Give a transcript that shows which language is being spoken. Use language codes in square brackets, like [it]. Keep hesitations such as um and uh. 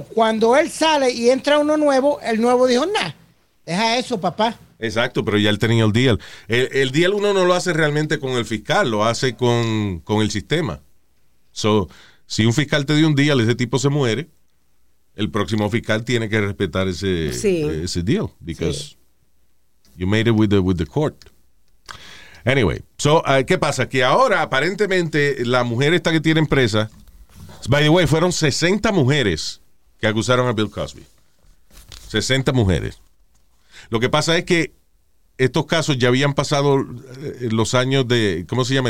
[es] Cuando él sale y entra uno nuevo, el nuevo dijo, nah, deja eso, papá. Exacto, pero ya él tenía el deal. El, el deal uno no lo hace realmente con el fiscal, lo hace con, con el sistema. So, si un fiscal te dio un deal, ese tipo se muere, el próximo fiscal tiene que respetar ese, Sí. [en] ese deal, because you made it with the, with the court. Anyway, so, [es] ah, ¿qué pasa? Que ahora, aparentemente, la mujer esta que tiene empresa, [en] by the way, [es] fueron 60 mujeres que acusaron a Bill Cosby. 60 mujeres. Lo que pasa es que estos casos ya habían pasado eh, los años de, ¿cómo se llama?